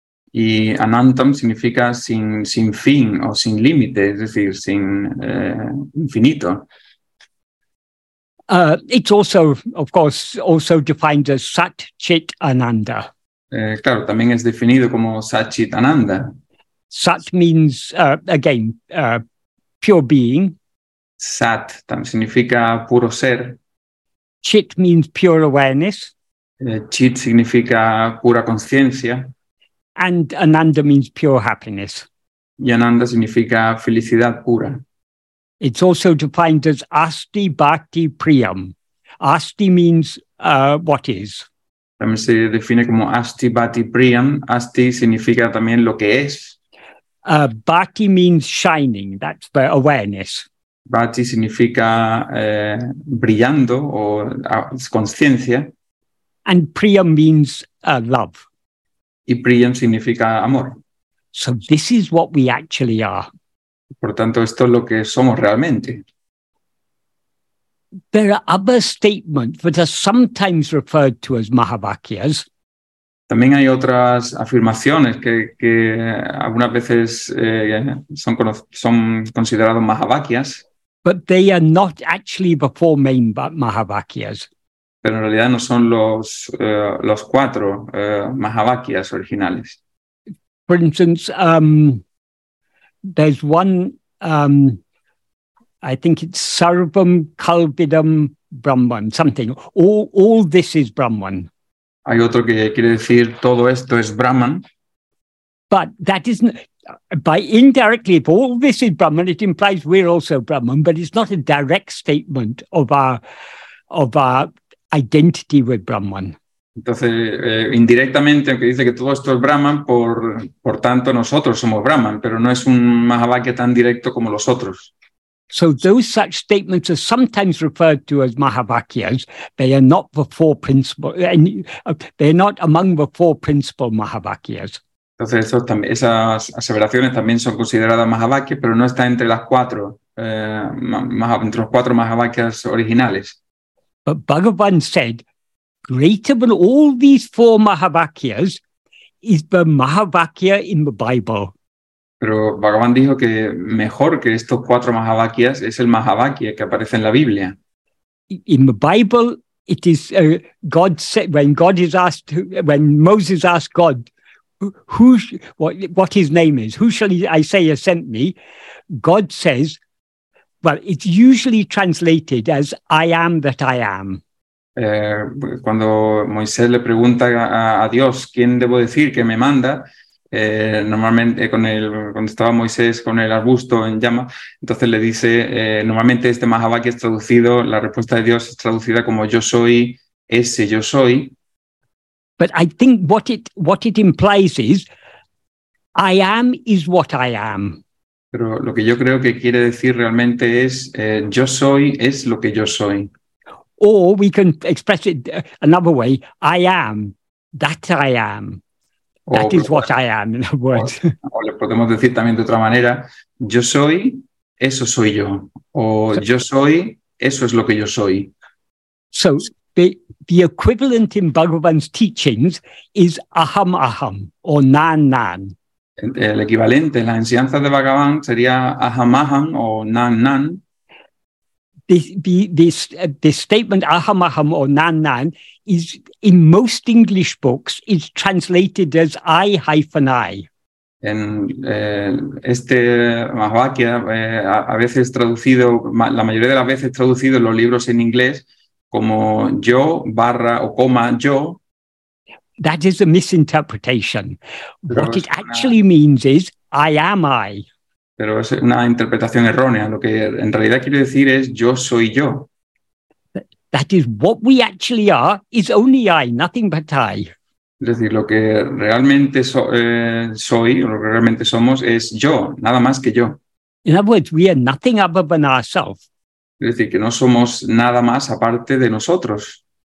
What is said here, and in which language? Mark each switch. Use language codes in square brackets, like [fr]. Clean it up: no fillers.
[es] Y anantam significa sin fin o sin límite, es decir, sin infinito. [en] It's also, of course, also defined as sat chit ananda. [es] Claro, también es definido como sat chit ananda. [en] Sat means pure being. [es] Sat también significa puro ser. [en] Chit means pure awareness. [es] Chit significa pura conciencia. [en] And ananda means pure happiness. [es] Y ananda significa felicidad pura. [en] It's also defined as asti bhakti priyam. Asti means what is. [es] También se define como asti bhakti priyam. Asti significa también lo que es. [en] Bhakti means shining. That's the awareness. [es] Bhakti significa brillando o conciencia. [en] And priyam means love. [es] Y priyam significa amor. [en] So this is what we actually are. [es] Por tanto, esto es lo que somos realmente. [en] There are other statements that are sometimes referred to as Mahavakyas. [es] También hay otras afirmaciones que algunas veces son consideradas Mahavakyas. [en] But they are not actually the four main Mahavakyas. [es] Pero en realidad no son los cuatro Mahavakyas originales. [en] For instance, there's one, I think it's Sarvam Kalvidam Brahman, something. All this is Brahman. [es] Hay otro que quiere decir todo esto es Brahman. [en] But that isn't, by indirectly, if all this is Brahman, it implies we're also Brahman, but it's not a direct statement of our identity with Brahman. [es] Entonces, indirectamente, aunque dice que todo esto es Brahman, por tanto nosotros somos Brahman, pero no es un Mahavakya tan directo como los otros. [en] So those such statements are sometimes referred to as Mahavakyas. They are not the four principal. They are not among the four principal Mahavakyas. [es] Entonces esas aseveraciones también son consideradas Mahavakyas, pero no está entre las cuatro entre los cuatro Mahavakyas originales. [en] But Bhagavan said, greater than all these four Mahavakyas is the Mahavakya in the Bible. [es] Pero Bhagavan dijo que mejor que estos cuatro Mahavakyas es el Mahavakya que aparece en la Biblia. [en] In the Bible, it is God said, when God is asked, when Moses asked God, what his name is, who shall I say has sent me? God says, well, it's usually translated as I am that I am. [es] Cuando Moisés le pregunta a Dios, ¿quién debo decir que me manda? Normalmente cuando estaba Moisés con el arbusto en llama, entonces le dice, normalmente este Mahavakya es traducido, la respuesta de Dios es traducida como yo soy ese yo soy. [en] But I think what it implies is I am is what I am. [es] Pero lo que yo creo que quiere decir realmente es yo soy es lo que yo soy. [en] Or we can express it another way, I am that I am. That is what I am, in other words. [es] O le podemos decir también de otra manera, yo soy, eso soy yo. O yo soy, eso es lo que yo soy. [en] So, the equivalent in Bhagavan's teachings is aham aham, o nan nan. [es] El equivalente en las enseñanzas de Bhagavan sería aham aham, o nan nan. [en] The statement aham aham or nan nan is in most English books is translated as I hyphen I. [es] En este Mahavakya a veces traducido, la mayoría de las veces traducido en los libros en inglés como yo barra o coma yo. [en] That is a misinterpretation. What it actually means is I am I. [es] Pero es una interpretación errónea. Lo que en realidad quiere decir es yo soy yo. [en] That is what we actually are is only I, nothing but I. [es] Es decir, lo que realmente soy, lo que realmente somos es yo, nada más que yo. [en] In other words, we are nothing other than ourselves. [es] Es decir, que no somos nada más aparte de nosotros.